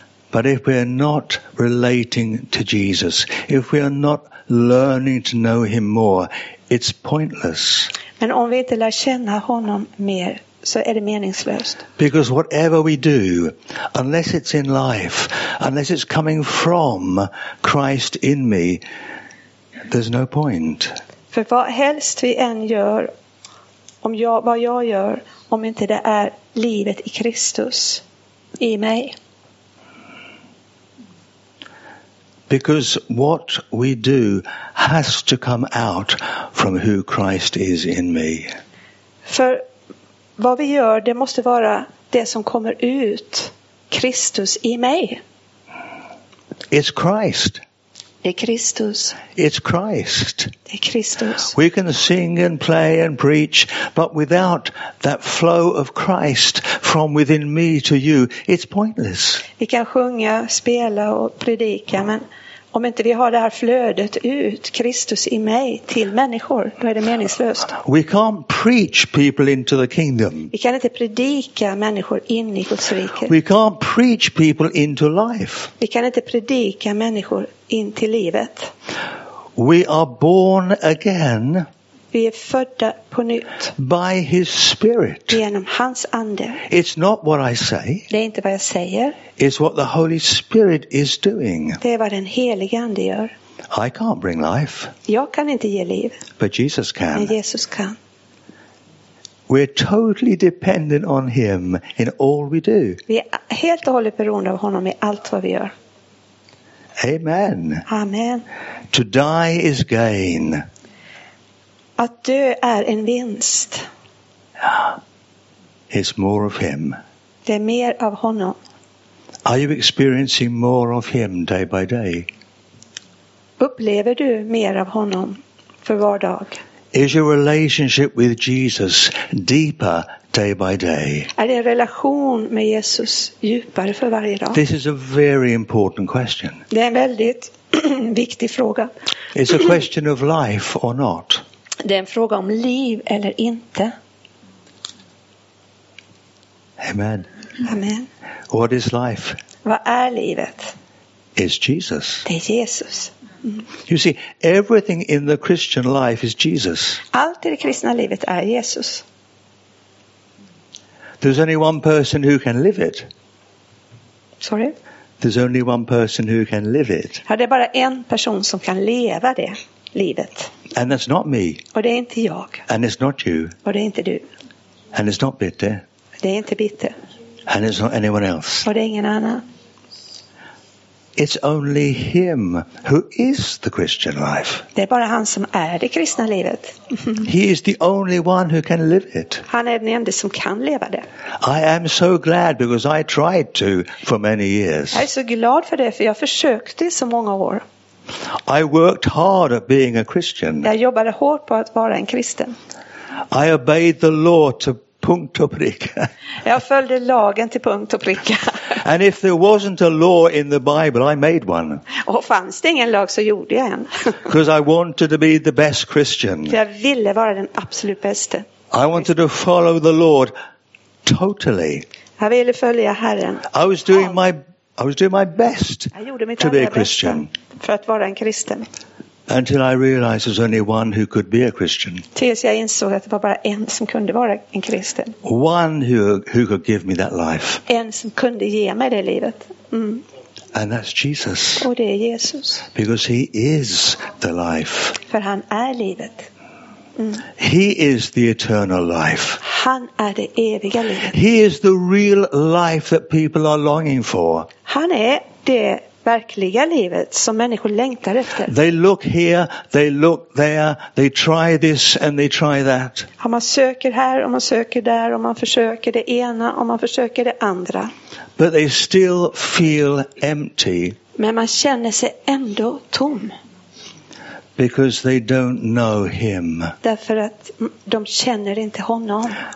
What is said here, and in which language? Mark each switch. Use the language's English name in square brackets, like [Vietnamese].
[English] But if we are not relating to Jesus, if we are not learning to know him more, it's pointless. [Swedish] Men om vi inte lär känna honom mer, så är det meningslöst. [English] Because whatever we do, unless it's in life, unless it's coming from Christ in me, there's no point. [Swedish] För vad helst vi än gör, vad jag gör, om inte det är livet i Kristus i mig. [English] Because what we do has to come out from who Christ is in me. [Swedish] För vad vi gör, det måste vara det som kommer ut, Kristus i mig. [English] It's Christ. [Swedish] Det är Kristus. [English] It's Christ. [Swedish] Det är Kristus. [English] We can sing and play and preach, but without that flow of Christ from within me to you, it's pointless. [Swedish] Vi kan sjunga, spela och predika, men om inte vi har det här flödet ut, Kristus i mig, till människor, då är det meningslöst. [English] We can't preach people into the kingdom. [Swedish] Vi kan inte predika människor in i Guds rike. [English] We can't preach people into life. [Swedish] Vi kan inte predika människor in till livet. [English] We are born again. [Swedish] Vi är födda på nytt. [English] By his spirit. [Swedish] Genom hans ande. [English] It's not what I say. [Swedish] Det är inte vad jag säger. [English] It's what the Holy Spirit is doing. [Swedish] Det är vad den helige ande gör. [English] I can't bring life. [Swedish] Jag kan inte ge liv. [English] But Jesus can. [Swedish] Men Jesus kan. [English] We're totally dependent on him in all we do. [Swedish] Vi är helt och hållet beroende av honom i allt vad vi gör. [English] Amen. [Swedish] Amen. [English] To die is gain. [Swedish] Att dö är en vinst. [English] It's more of him. [Swedish] Det är mer av honom. [English] Are you experiencing more of him day by day? [Swedish] Upplever du mer av honom för var dag? [English] Is your relationship with Jesus deeper day by day? [Swedish] Är din relation med Jesus djupare för varje dag? [English] This is a very important question. [Swedish] Det är en väldigt viktig fråga. [English] It's a question of life or not. [Swedish] Det är en fråga om liv eller inte. [English] Amen. [Swedish] Amen. [English] What is life? [Swedish] Vad är livet? [English] It's Jesus. [Swedish] Det är Jesus. [English] You see, everything in the Christian life is Jesus. [Swedish] Allt i det kristna livet är Jesus. [English] There's only one person who can live it. Sorry? There's only one person who can live it. [Swedish] Ja, det är bara en person som kan leva det livet. [English] And that's not me. [Swedish] Och det är inte jag. [English] And it's not you. [Swedish] Och det är inte du. [English] And it's not Bitte. [Swedish] Det är inte Bitte. [English] And it's not anyone else. [Swedish] Och det är ingen annan. [English] It's only him who is the Christian life. [Swedish] Det är bara han som är det kristna livet. [English] He is the only one who can live it. [Swedish] Han är den enda som kan leva det. [English] I am so glad because I tried to for many years. [Swedish] Jag är så glad för det, för jag försökte så många år. [English] I worked hard at being a Christian. [Swedish] Jag jobbade hårt på att vara en kristen. [English] I obeyed the law to [Swedish] punkt och pricka. Jag följde lagen till punkt och pricka. [English] And if there wasn't a law in the Bible, I made one. [Swedish] Och fanns det ingen lag så gjorde jag en. [English] Because I wanted to be the best Christian. [Swedish] För jag ville vara den absolut bästa. [English] I wanted to follow the Lord totally. [Swedish] Jag ville följa Herren. [English] I was doing my best to be a Christian. [Swedish] För att vara en kristen. [English] Until I realized there's only one who could be a Christian. [Swedish] Tills jag insåg att det var bara en som kunde vara en kristen. [English] One who could give me that life. [Swedish] En som kunde ge mig det livet. Mm. [English] And that's Jesus. [Swedish] Och det är Jesus. [English] Because he is the life. [Swedish] För han är livet. [English] He is the eternal life. [Swedish] Han är det eviga livet. [English] He is the real life that people are longing for. [Swedish] Han är det verkliga livet som människor längtar efter. [English] They look here, they look there, they try this and they try that. [Swedish] Om man söker här och man söker där, om man försöker det ena och man försöker det andra. [English] But they still feel empty. [Swedish] Men man känner sig ändå tom. [English] Because they don't know him. [Swedish] Därför att de känner inte honom.